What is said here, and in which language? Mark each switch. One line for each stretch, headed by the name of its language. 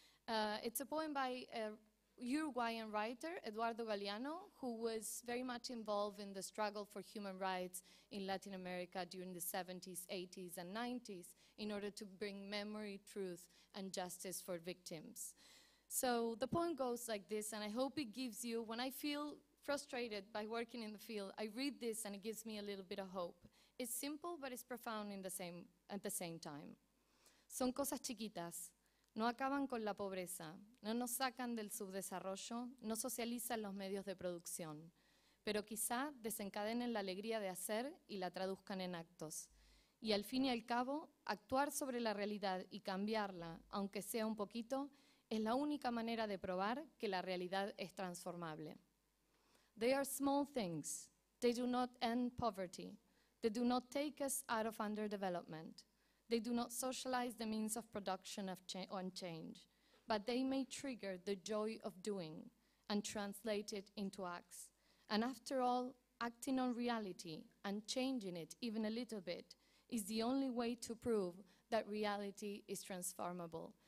English: It's a poem by a Uruguayan writer, Eduardo Galeano, who was very much involved in the struggle for human rights in Latin America during the 70s, 80s, and 90s in order to bring memory, truth, and justice for victims. So the poem goes like this, and I hope it gives you, when I feel frustrated by working in the field, I read this and it gives me a little bit of hope. It's simple, but it's profound at the same time.
Spanish: Son cosas chiquitas. No acaban con la pobreza, no nos sacan del subdesarrollo, no socializan los medios de producción, pero quizá desencadenen la alegría de hacer y la traduzcan en actos. Y al fin y al cabo, actuar sobre la realidad y cambiarla, aunque sea un poquito, es la única manera de probar que la realidad es transformable.
English: They are small things. They do not end poverty. They do not take us out of underdevelopment. They do not socialize the means of production and change, but they may trigger the joy of doing and translate it into acts. And after all, acting on reality and changing it even a little bit is the only way to prove that reality is transformable.